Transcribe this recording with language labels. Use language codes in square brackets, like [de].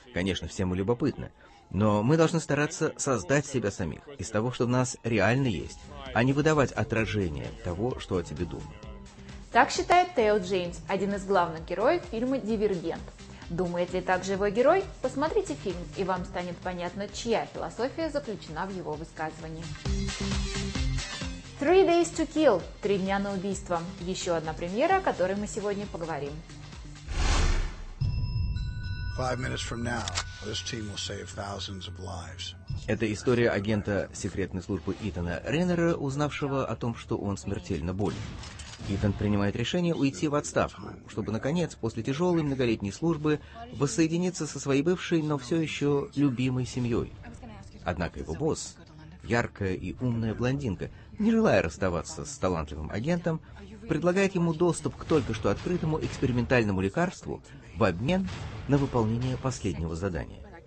[ru] Конечно, всем любопытно. Но мы должны стараться создать себя самих из того, что в нас реально есть, а не выдавать отражение того, что о тебе думают. Так считает Тео Джеймс, один из главных героев фильма «Дивергент». Думает ли так же его герой? Посмотрите фильм, и вам станет понятно, чья философия заключена в его высказывании. «Three Days to Kill» – 3 дня на убийство. Еще одна премьера, о которой мы сегодня поговорим. 5 минут [en] from now, this team will save thousands of lives. [ru] Это история агента секретной службы Итана Реннера, узнавшего о том, что он смертельно болен. Итан принимает решение уйти в отставку, чтобы, наконец, после тяжелой многолетней службы, воссоединиться со своей бывшей, но все еще любимой семьей. Однако его босс, яркая и умная блондинка, не желая расставаться с талантливым агентом, предлагает ему доступ к только что открытому экспериментальному лекарству в обмен на выполнение последнего задания.